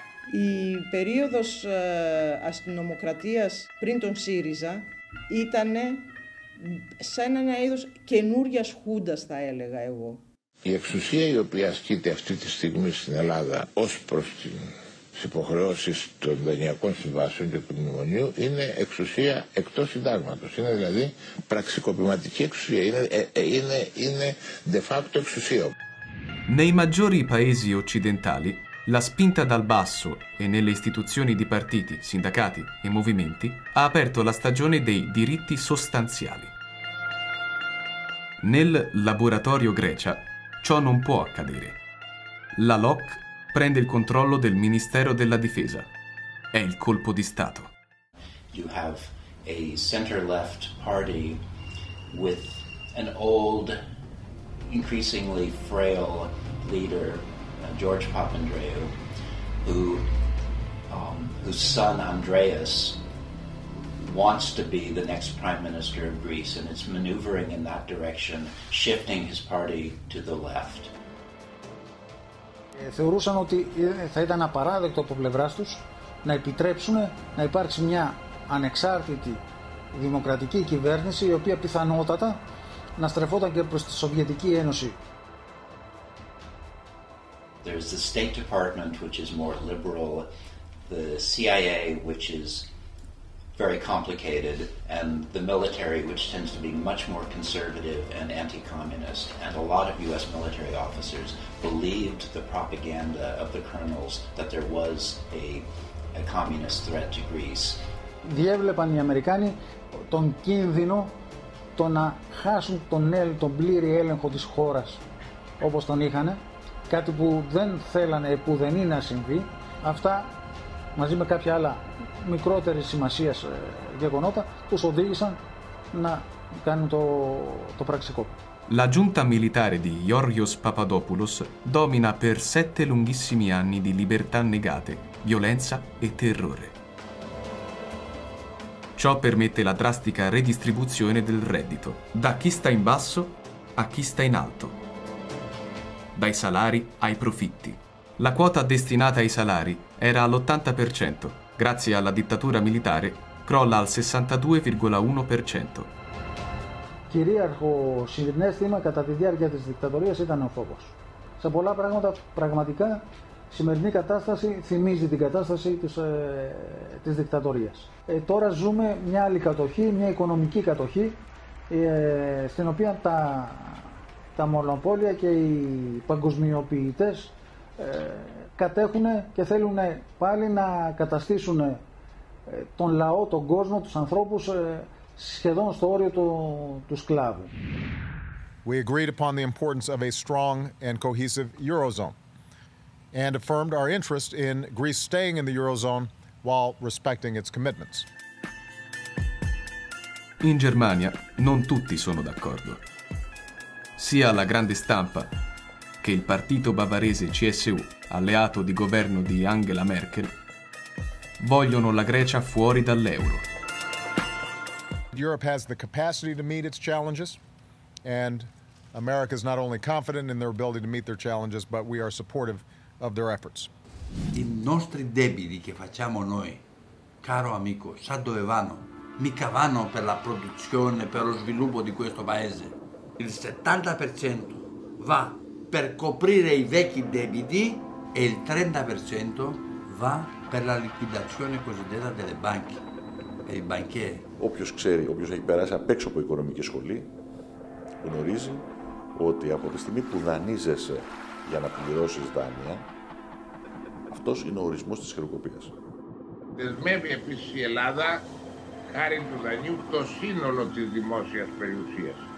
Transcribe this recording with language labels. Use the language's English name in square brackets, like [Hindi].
[Greek] Η περίοδος αστυνομοκρατίας πριν τον ΣΥΡΙΖΑ ήταν σαν ένα είδος καινούργιας χούντας, θα έλεγα εγώ. Η εξουσία η οποία ασκείται αυτή τη στιγμή στην Ελλάδα ως προς τις υποχρεώσεις των δανειακών συμβάσεων και του μνημονίου είναι εξουσία εκτός συντάγματος. Είναι δηλαδή πραξικοπηματική εξουσία. Είναι de facto εξουσία. [Italian] Nei maggiori paesi occidentali, la spinta dal basso e nelle istituzioni di partiti, sindacati e movimenti ha aperto la stagione dei diritti sostanziali. Nel laboratorio Grecia ciò non può accadere. La LOC prende il controllo del Ministero della Difesa. È il colpo di Stato. [English] You have a center-left party with an old, increasingly frail leader, George Papandreou, whose son Andreas wants to be the next prime minister of Greece, and it's maneuvering in that direction, shifting his party to the left. [Greek] Θεωρούσαν ότι θα ήταν απαράδεκτο από πλευράς τους να επιτρέψουν να υπάρξει μια ανεξάρτητη δημοκρατική κυβέρνηση η οποία πιθανότατα να στρεφόταν και προς τη Σοβιετική Ένωση. [English] There's the State Department, which is more liberal, the CIA, which is very complicated, and the military, which tends to be much more conservative and anti-communist. And a lot of U.S. military officers believed the propaganda of the colonels that there was a communist threat to Greece. [Greek] Διέβλεπαν οι Αμερικάνοι τον κίνδυνο το να χάσουν τον πλήρη έλεγχο της χώρας, όπως τον είχανε. Κάτι που δεν θέλανε, που δεν είναι να συμβεί, αυτά μαζί με κάποια άλλα μικρότερη σημασία γεγονότα τους οδήγησαν να κάνουν το πραξικόπημα. [Italian] La giunta militare di Georgios Papadopoulos domina per 7 lunghissimi anni di libertà negate, violenza e terrore. Ciò permette la drastica redistribuzione del reddito, da chi sta in basso a chi sta in alto. Dai salari ai profitti. La quota destinata ai salari era all'80%, grazie alla dittatura militare crolla al 62,1%. [Greek] Κυρίαρχο συνέστημα κατά τη διάρκεια της δικτατορίας ήταν ο φόβος. Σε πολλά πράγματα, πραγματικά, η σημερινή κατάσταση θυμίζει την κατάσταση της δικτατορίας. Τώρα ζούμε μια άλλη κατοχή, μια οικονομική κατοχή, στην οποία τα μονοπόλια και οι παγκοσμιοποιητές κατέχουν και θέλουν πάλι να καταστήσουν τον λαό, τον κόσμο, τους ανθρώπους, σχεδόν στο όριο του σκλάβου. [English] We agreed upon the importance of a strong and cohesive Eurozone and affirmed our interest in Greece staying in the Eurozone while respecting its commitments. [Italian] In Germania non tutti sono d'accordo. Sia la grande stampa che il partito bavarese CSU, alleato di governo di Angela Merkel, vogliono la Grecia fuori dall'euro. [English] Europe has the capacity to meet its challenges, and America is not only confident in their ability to meet their challenges, but we are supportive of their efforts. [Italian] I nostri debiti che facciamo noi, caro amico, sa dove vanno? Mica vanno per la produzione, per lo sviluppo di questo paese. Il 70% va per coprire i vecchi debiti e il 30% va per la liquidazione cosiddetta delle banche. [Greek] Όποιος ξέρει, όποιος έχει περάσει απ' έξω από οικονομική σχολή, γνωρίζει ότι από τη στιγμή που δανείζεσαι για να πληρώσεις δάνεια, αυτός είναι ο ορισμός της χρεοκοπίας. Δεσμεύει επίσης η Ελλάδα, χάρη του δανείου, το σύνολο της δημόσιας περιουσίας.